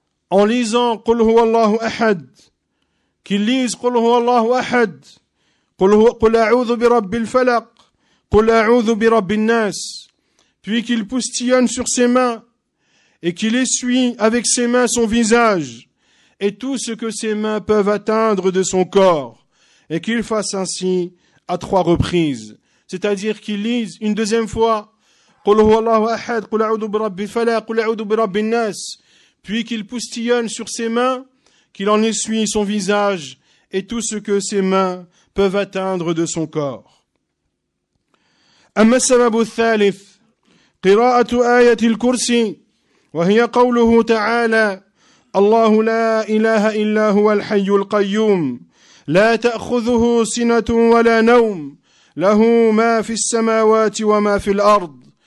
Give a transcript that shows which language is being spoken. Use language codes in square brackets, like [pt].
[fr] en lisant [ar] قُلْ هُوَ اللَّهُ أَحَد, [fr] qu'il lise قُلْ هُوَ اللَّهُ أَحَد, [ar] قُلْ أَعُوذُ بِرَبِّ الْفَلَقِ قُلْ أَعُوذُ بِرَبِّ النَّاسِ, [fr] puis qu'il poustillonne sur ses mains et qu'il essuie avec ses mains son visage et tout ce que ses mains peuvent atteindre de son corps, et qu'il fasse ainsi à 3 reprises. C'est-à-dire qu'ils lisent une deuxième fois, [ar] قل هو الله أحد قل أعوذ برب الفلق قل أعوذ برب الناس. [fr] Puis qu'il poustillonne sur ses mains, qu'il en essuie son visage et tout ce que ses mains peuvent atteindre de son corps. [ar] أما السبب الثالث قراءة آية الكرسي وهي قوله تعالى الله لا إله إلا هو الحي القيوم لا تأخذه سنة ولا نوم له ما في السماوات وما في الأرض